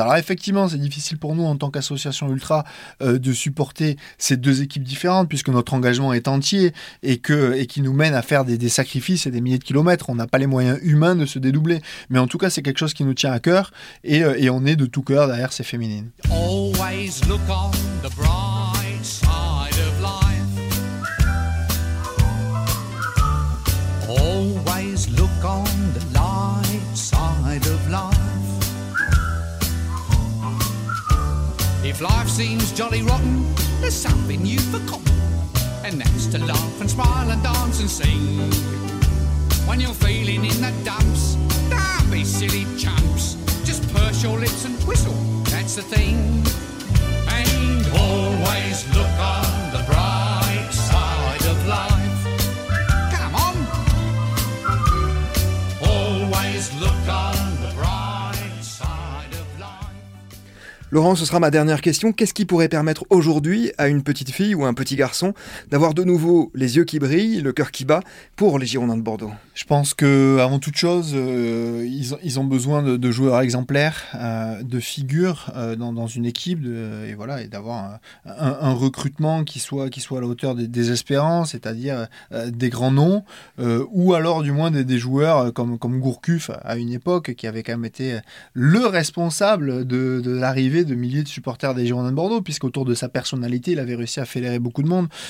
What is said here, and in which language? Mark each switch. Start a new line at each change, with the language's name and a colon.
French: Alors effectivement, c'est difficile pour nous, en tant qu'association ultra, de supporter ces deux équipes différentes, puisque notre engagement est entier et qui nous mène à faire des sacrifices et des milliers de kilomètres. On n'a pas les moyens humains de se dédoubler. Mais en tout cas, c'est quelque chose qui nous tient à cœur et on est de tout cœur derrière ces féminines.
English: Always look on the bright side of life. Always look on the light side of life. If life seems jolly rotten, there's something you've forgotten. And that's to laugh and smile and dance and sing. When you're feeling in the dumps, don't be silly chumps. Just purse your lips and whistle, that's the thing. And always look on the bright side of life. Come on. Always look on the bright side of life.
French: Laurent, ce sera ma dernière question. Qu'est-ce qui pourrait permettre aujourd'hui à une petite fille ou un petit garçon d'avoir de nouveau les yeux qui brillent, le cœur qui bat pour les Girondins de Bordeaux? Je pense que avant toute chose, ils ont besoin de joueurs exemplaires, de figures dans une équipe, et d'avoir un recrutement qui soit à la hauteur des espérances, c'est-à-dire des grands noms, ou alors du moins des joueurs comme Gourcuff à une époque, qui avait quand même été le responsable de l'arrivée de milliers de supporters des Girondins de Bordeaux, puisqu'autour de sa personnalité, il avait réussi à fédérer beaucoup de monde.